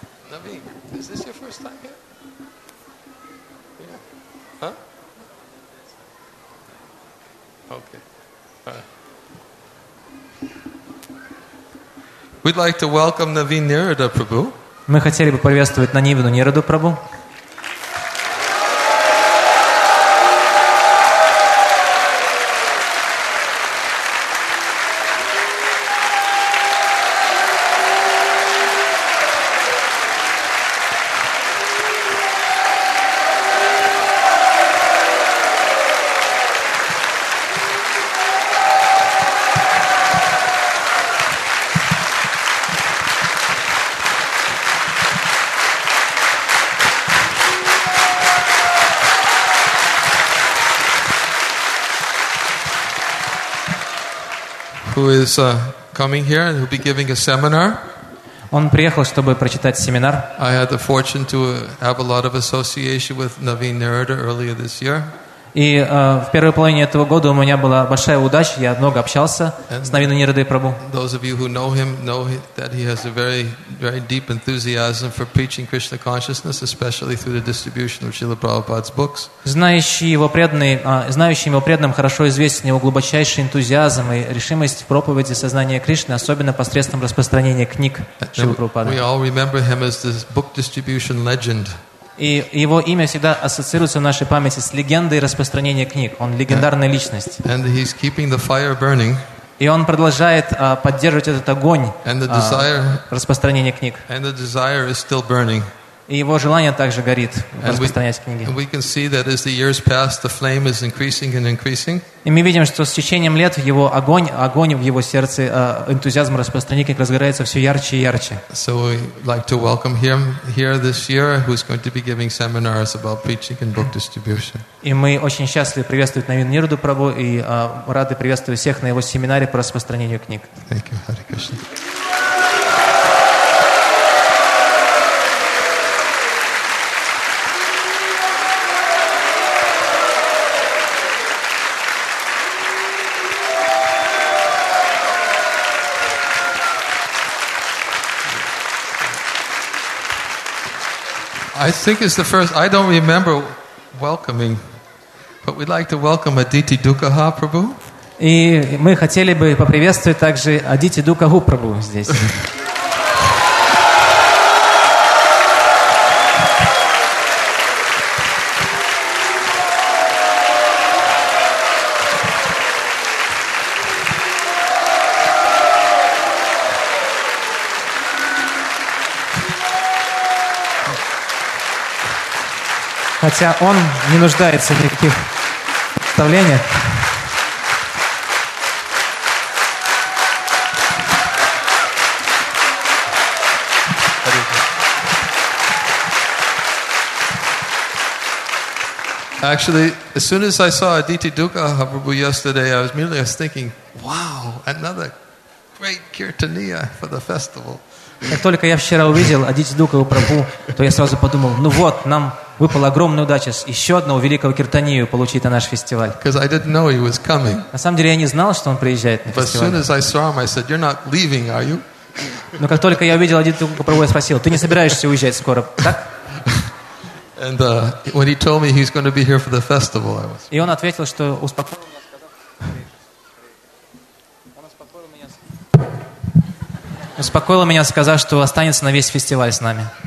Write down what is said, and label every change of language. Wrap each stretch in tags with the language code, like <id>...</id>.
<en>Naveen, is this your first time here? Yeah. Huh? Okay. Right. We'd like to welcome Naveen Nirada Prabhu.</en> <ru>Мы хотели бы приветствовать Навину Нираду Прабху.</ru> <en>Who is coming here and who'll be giving a seminar?</en> <ru>Он приехал, чтобы прочитать семинар.</ru> <en>I had the fortune to have a lot of association with Naveen Nirada earlier this year.</en> <ru>И в первой половине этого года у меня была большая удача, я много общался с Навинанирадой Прабу.</ru> <en>Those of you who know him know that he has a very, very deep enthusiasm for preaching Krishna consciousness, especially through the distribution of Srila Prabhupada's books.</en> <ru>Знающий его преданным хорошо известен его глубочайший энтузиазм и решимость в проповеди сознания Кришны, особенно посредством распространения книг Шрилы Прабхупады.</ru> <en>We all remember him as this book distribution legend.</en> <ru>И его имя всегда ассоциируется в нашей памяти с легендой распространения книг. Он легендарная личность.</ru> <en>And he's keeping the fire burning.</en> <ru>И он продолжает поддерживать этот огонь распространения книг.</ru> <en>And the desire is still burning.</en> <ru>И его желание также горит распространять книги.</ru> <en>And we can see that as the years pass, the flame is increasing and increasing.</en> <ru>И мы видим, что с течением лет его огонь в его сердце, энтузиазм распространения книг разгорается все ярче и ярче.</ru> <en>So we'd like to welcome him here this year, who's going to be giving seminars about preaching and book distribution.</en> <ru>И мы очень счастливы приветствовать Навинанираду Прабху и рады приветствовать всех на его семинаре по распространению книг.</ru> <en>Thank you, Hare Krishna. I think it's the first. I don't remember welcoming, but we'd like to welcome Aditi Dukaha Prabhu.</en> <ru>И мы хотели бы поприветствовать также Адити Дукаху Прабу здесь. Хотя он не нуждается в никаких представлениях.</ru> <en>Actually, as soon as I saw Aditi Dukaha Prabhu yesterday, I was thinking, wow, another great kirtaniya for the festival.</en> <ru>Как только я вчера увидел Адити Дукаху Прабху, то я сразу подумал, ну вот, нам выпала огромная удача еще одного великого киртанию получить на наш фестиваль.</ru> <en>I didn't know he was coming.</en> <ru>На самом деле я не знал, что он приезжает на фестиваль.</ru> <en>But soon as I saw him, I said, you're not leaving, are you?</en> <ru>Но как только я увидел Адити Дукаху Прабху, я спросил, ты не собираешься уезжать скоро, так?</ru> <en>And when he told me he's going to be here for the festival, I was...</en> <ru>И он ответил, что успокоил. Успокоило меня, сказав, что останется на весь фестиваль с нами.</ru>